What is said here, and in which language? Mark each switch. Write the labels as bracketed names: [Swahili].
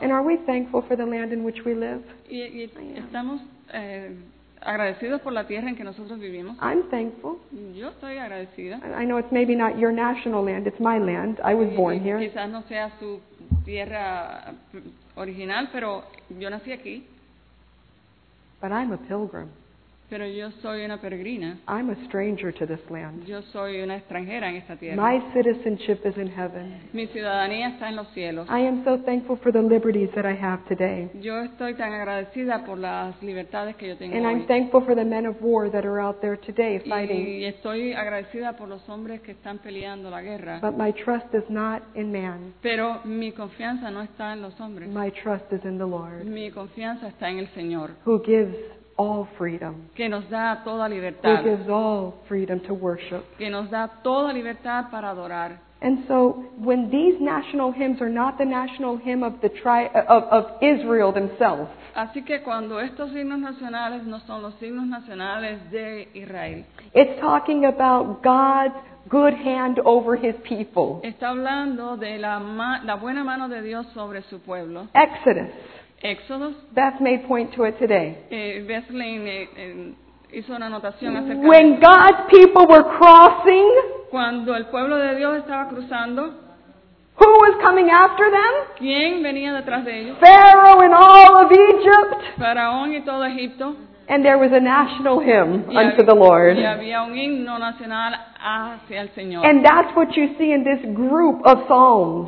[English] And are we thankful for the land in which we live? [Spanish] Y estamos agradecidos por la tierra en que nosotros vivimos. [English] I'm thankful. [Spanish] Yo estoy agradecida. [English] I know it's maybe not your national land, it's my land. I was born here. [Spanish] Quizás no sea su tierra original, pero yo nací aquí. [English] But I'm a pilgrim. [Spanish] Pero yo soy una peregrina. [English] I'm a stranger to this land. [Spanish] Yo soy una extranjera en esta tierra. [English] My citizenship is in heaven. [Spanish] Mi ciudadanía está en los cielos. [English] I am so thankful for the liberties that I have today. [Spanish] Yo estoy tan agradecida por las libertades que yo tengo [English] and [Spanish] hoy. [English] I'm thankful for the men of war that are out there today fighting. [Spanish] Y estoy agradecida por los hombres que están peleando la guerra. [English] But my trust is not in man. [Spanish] Pero mi confianza no está en los hombres. [English] My trust is in the Lord. [Spanish] Mi confianza está en el Señor. [English] Who gives all freedom. [Spanish] Que nos da toda libertad. [English] Who gives all freedom to worship. [Spanish] Que nos da toda libertad para adorar. [English] And so when these national hymns are not the national hymn of the of Israel themselves. [Spanish] Así que cuando estos himnos nacionales no son los himnos nacionales de Israel. [English] It's talking about God's good hand over his people. [Spanish] Está hablando de la buena mano de Dios sobre su pueblo. [English] Exodus. Exodus. Beth made point to it today. [Spanish] Beth Lane hizo una anotación acerca. [English] When God's people were crossing, [Spanish] cuando el pueblo de Dios estaba cruzando, [English] who was coming after them? [Spanish] ¿Quién venía detrás de ellos? [English] Pharaoh and all of Egypt. [Spanish] Faraón y todo Egipto. [English] And there was a national hymn unto the Lord. [Spanish] Y había un himno nacional hacia el Señor. [English] And that's what you see in this group of psalms.